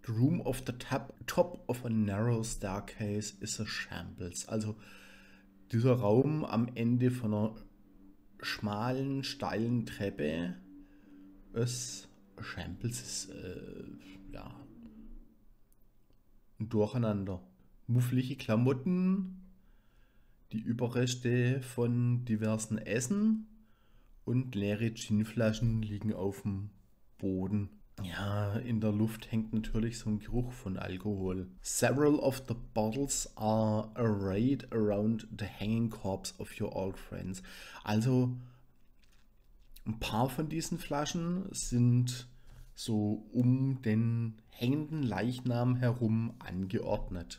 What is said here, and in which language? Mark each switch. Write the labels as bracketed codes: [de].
[en] The room of the top of a narrow staircase is a shambles. [de] Also dieser Raum am Ende von einer schmalen, steilen Treppe ist shambles. Ist ja ein Durcheinander. Muffliche Klamotten, die Überreste von diversen Essen und leere Ginflaschen liegen auf dem Boden. Ja, in der Luft hängt natürlich so ein Geruch von Alkohol. [en] Several of the bottles are arrayed around the hanging corpse of your old friends. [de] Also, ein paar von diesen Flaschen sind so um den hängenden Leichnam herum angeordnet.